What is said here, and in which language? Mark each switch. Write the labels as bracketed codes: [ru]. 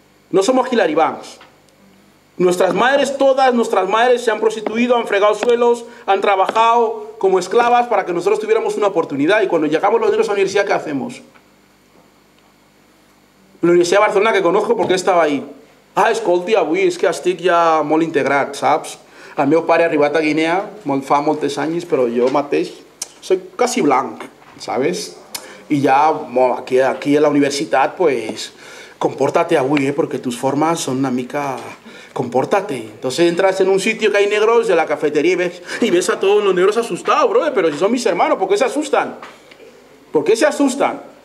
[es] No somos Hillary Banks. Nuestras madres, todas nuestras madres, se han prostituido, han fregado suelos, han trabajado como esclavas para que nosotros tuviéramos una oportunidad. Y cuando llegamos los negros a la universidad, ¿qué hacemos? La Universidad de Barcelona, que conozco porque estaba ahí. [ca] Ah, escolti, avui, es que estic ya molt integrat, ¿saps? El meu pare ha arribat a Guinea fa moltes anys, però jo mateix [es] soy casi blanc, ¿sabes? Y ya, bueno, aquí en la universitat, pues, compórtate avui, porque tus formas son [ca] una mica... [es] Compórtate. Entonces entras en un sitio que hay negros de la cafetería y ves a todos los negros asustados, bro, pero si son mis hermanos, ¿por qué se asustan? ¿Por qué se asustan?